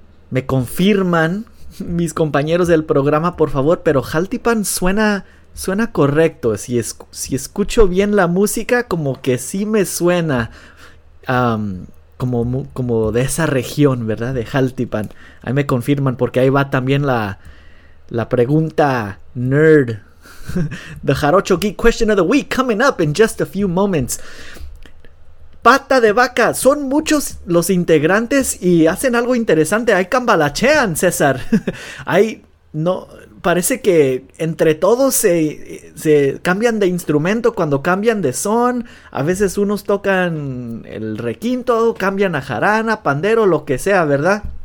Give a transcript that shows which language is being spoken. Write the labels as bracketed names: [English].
[Spanish] Me confirman mis compañeros del programa, por favor, pero Jaltipan suena correcto. Si escucho bien la música, como que sí me suena como de esa región, ¿verdad? De Jaltipan. Ahí me confirman, porque ahí va también la pregunta nerd. [English] The Jarocho Geek Question of the Week coming up in just a few moments. [Spanish] Pata de vaca. Son muchos los integrantes y hacen algo interesante. Ahí cambalachean, César. Ahí no. Parece que entre todos se cambian de instrumento cuando cambian de son. A veces unos tocan el requinto, cambian a jarana, pandero, lo que sea, ¿verdad?